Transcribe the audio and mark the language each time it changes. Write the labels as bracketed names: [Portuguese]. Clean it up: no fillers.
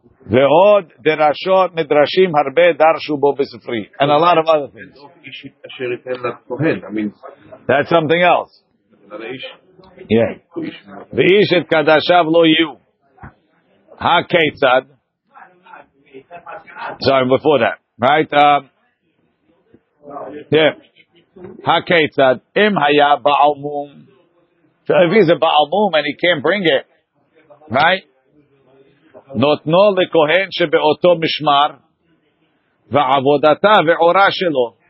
[Hebrew] ועוד דרשות מדרשים הרבה דרשו בו בספרי. [English] And a lot of other things. That's something else. Yeah. [Hebrew] ואיש את קדשיו לא יהיו. הכיצד? [English] Sorry, before that. Right? [Hebrew] Yeah. הכיצד? אם היה בעל מום. [English] So if he's a בעל מום and he can't bring it. Right? [Hebrew] נותנו לכהן שבאותו משמר ועבודתה ועורה שלו.